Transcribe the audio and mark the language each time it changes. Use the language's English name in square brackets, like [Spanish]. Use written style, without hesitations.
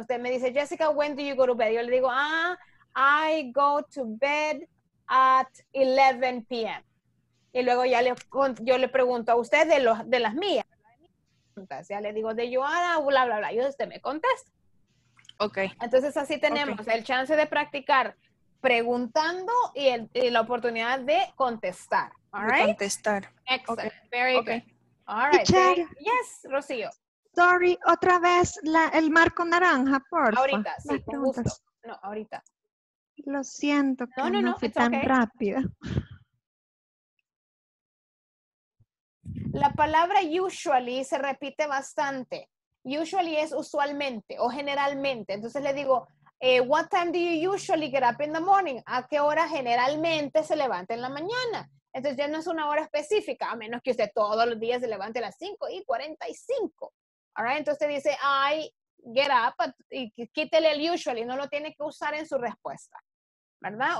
[Spanish] Usted me dice, [English] Jessica, when do you go to bed? [Spanish] Yo le digo, [English] I go to bed at 11 p.m. [Spanish] Y luego ya yo le pregunto a usted de las mías. Entonces ya le digo de Joana, bla, bla, bla. Y usted me contesta. Ok. Entonces así tenemos el chance de practicar preguntando y la oportunidad de contestar. [English] All right? [Spanish] De contestar. [English] Excellent. Okay. Very good. All right. Teacher, yes, Rocío. [Spanish] Sorry, otra vez el marco naranja, por favor. Ahorita, sí, con gusto. No, ahorita. Lo siento que no fui tan rápido. La palabra usually se repite bastante. Usually es usualmente o generalmente. Entonces le digo, [English] what time do you usually get up in the morning? [Spanish] ¿A qué hora generalmente se levanta en la mañana? Entonces ya no es una hora específica, a menos que usted todos los días se levante a las 5:45. All right? Entonces dice, I get up, y quítele el usually, no lo tiene que usar en su respuesta, ¿verdad?